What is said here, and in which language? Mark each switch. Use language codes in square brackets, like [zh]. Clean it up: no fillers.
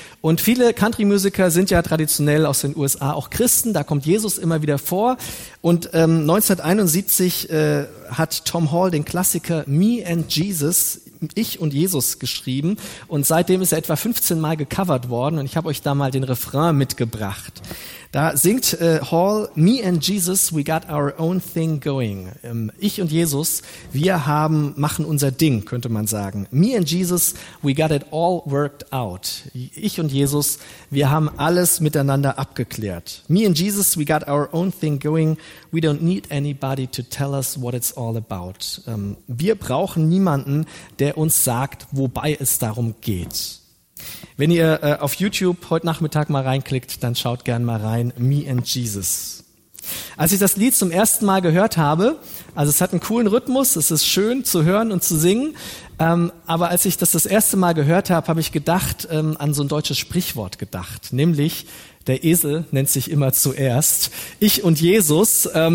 [de] Und viele Country-Musiker sind ja traditionell aus den USA auch Christen. Da kommt Jesus immer wieder vor. Und 1971 hat Tom Hall den Klassiker Me and Jesus, Ich und Jesus, geschrieben. Und seitdem ist er etwa 15 Mal gecovert worden. Und ich habe euch da mal den Refrain mitgebracht. Da singt Hall, [en] Me and Jesus, we got our own thing going. [de] Ich und Jesus, wir haben, machen unser Ding, könnte man sagen. [en] Me and Jesus, we got it all worked out. [de] Ich und Jesus, wir haben alles miteinander abgeklärt. [en] Me and Jesus, we got our own thing going. We don't need anybody to tell us what it's all about. [de] Wir brauchen niemanden, der uns sagt, wobei es darum geht. Wenn ihr auf YouTube heute Nachmittag mal reinklickt, dann schaut gern mal rein, Me and Jesus. Als ich das Lied zum ersten Mal gehört habe, also es hat einen coolen Rhythmus, es ist schön zu hören und zu singen, aber als ich das erste Mal gehört habe, habe ich gedacht, an so ein deutsches Sprichwort gedacht, nämlich der Esel nennt sich immer zuerst, ich und Jesus.